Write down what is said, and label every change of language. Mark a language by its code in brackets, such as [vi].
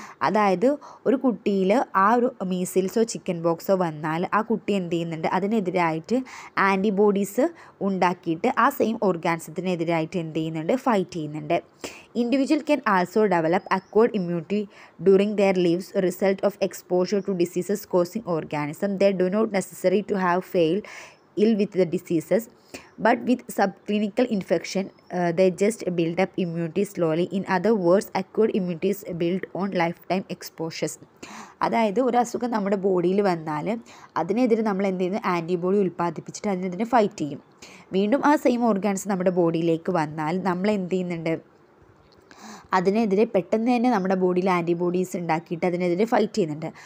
[ml] അതായത് ഒരു കുട്ടിയിൽ ആ ഒരു മീസിൽസോ ചിക്കൻ ബോക്സോ വന്നാൽ ആ കുട്ടി എന്ത് ചെയ്യുന്നുണ്ട്, അതിനെതിരായിട്ട് ആൻറ്റിബോഡീസ് ഉണ്ടാക്കിയിട്ട് ആ സെയിം ഓർഗാനിസത്തിനെതിരായിട്ട് എന്ത് ചെയ്യുന്നുണ്ട്, ഫൈറ്റ് ചെയ്യുന്നുണ്ട്. [en] Individual can also develop acquired immunity during their lives result of exposure to diseases causing organism they do not necessary to have fall ill with the diseases, but with subclinical infection, they just build up immunity slowly. In other words, acquired immunity is built on lifetime exposures. [ml] അതായത് ഒരു അസുഖം നമ്മുടെ ബോഡിയിൽ വന്നാൽ അതിനെതിരെ നമ്മൾ എന്ത് ചെയ്യുന്നു, ആൻറ്റിബോഡി ഉൽപ്പാദിപ്പിച്ചിട്ട് അതിനെതിരെ ഫൈറ്റ് ചെയ്യും. വീണ്ടും ആ സെയിം ഓർഗാൻസ് നമ്മുടെ ബോഡിയിലേക്ക് വന്നാൽ നമ്മൾ എന്ത് ചെയ്യുന്നുണ്ട്, അതിനെതിരെ പെട്ടെന്ന് തന്നെ നമ്മുടെ ബോഡിയിൽ ആൻറ്റിബോഡീസ് ഉണ്ടാക്കിയിട്ട് അതിനെതിരെ ഫൈറ്റ് ചെയ്യുന്നുണ്ട്.